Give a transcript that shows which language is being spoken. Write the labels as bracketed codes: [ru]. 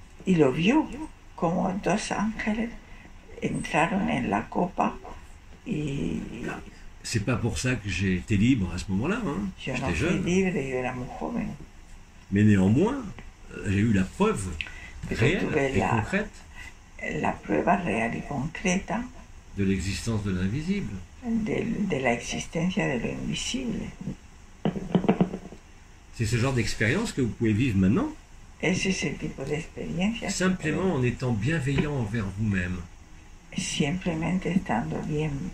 [es] Il lo vio como dos ángeles entraron en la copa y. [fr] C'est pas pour ça que j'ai été libre à ce moment-là. Hein. J'étais jeune. [es] Libre, yo era muy joven. [fr] Mais néanmoins, j'ai eu la preuve réelle et concrète. [es] La prueba real y concreta. [fr] De l'existence de l'invisible. [es] De la existencia de lo invisible. [fr] C'est ce genre d'expérience que vous pouvez vivre maintenant. [es] Ese es el tipo de experiencia. [fr] Simplement en étant bienveillant envers vous-même. [es] Simplemente estando bien.